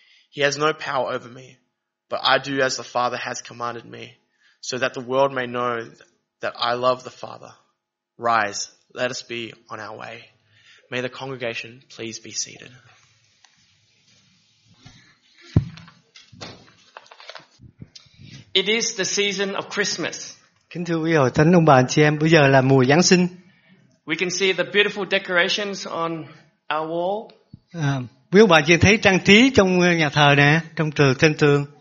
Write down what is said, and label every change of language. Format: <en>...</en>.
<en>He has no power over me. But I do as the Father has commanded me, so that the world may know that I love the Father. Rise, let us be on our way. May the congregation please be seated. It is the season of Christmas.</en> <vi>Kính thưa quý hội thánh ông bà anh chị em, bây giờ là mùa Giáng sinh.</vi> <en>We can see the beautiful decorations on our wall.</en> <vi>Quý ông bà anh chị thấy trang trí trong nhà thờ nè, trong trường, trên tường.</vi>